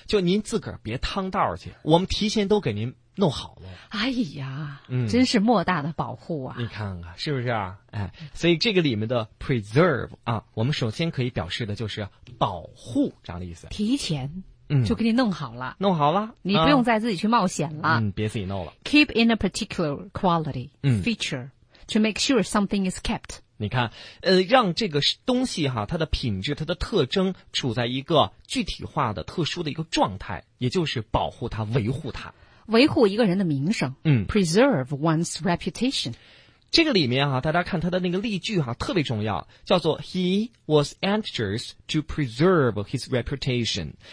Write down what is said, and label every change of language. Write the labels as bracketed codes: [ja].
[zh] 就您自个儿别趟道去，我们提前都给您弄好了。哎呀、嗯、真是莫大的保护啊。你看看是不是啊，哎，所以这个里面的 preserve 啊，我们首先可以表示的就是保护这样的意思。提前嗯就给你弄好了。弄好了。你不用再自己去冒险了。嗯，别自己弄了。 [en] Keep in a particular quality,feature,、嗯、 to make sure something is kept. [zh] 你看，让这个东西哈，它的品质、它的特征处在一个具体化的、特殊的一个状态，也就是保护它、维护它，维护一个人的名声。嗯 [en] ，preserve one's reputation。 [zh] 这个里面哈、啊，大家看它的那个例句哈、啊，特别重要，叫做 [en] He was anxious to preserve his reputation。